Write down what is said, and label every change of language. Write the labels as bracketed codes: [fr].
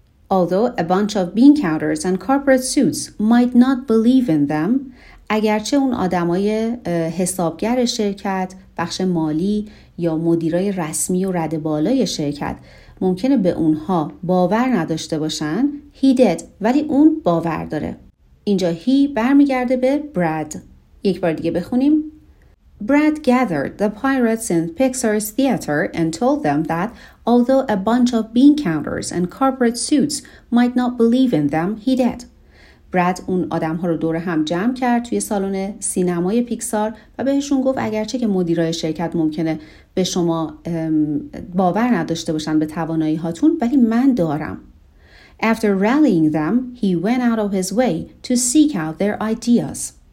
[en] Although a bunch of bean counters and corporate suits might not believe in them، [fa] اگرچه اون آدمای حسابگر شرکت، بخش مالی یا مدیرای رسمی و رده بالای شرکت ممکنه به اونها باور نداشته باشن، [en] he did، [fa] ولی اون باور داره. اینجا he برمیگرده به Brad. یک بار دیگه بخونیم. [en] Brad gathered the pirates in Pixar's theater and told them that although a bunch of bean counters and corporate suits might not believe in them, he did. [fa] براد اون آدم ها رو دور هم جمع کرد توی سالن سینمای پیکسار و بهشون گفت اگرچه که مدیرای شرکت ممکنه به شما باور نداشته باشن به توانایی هاتون، ولی من دارم. [en] After rallying them, he went out of his way to seek out their ideas.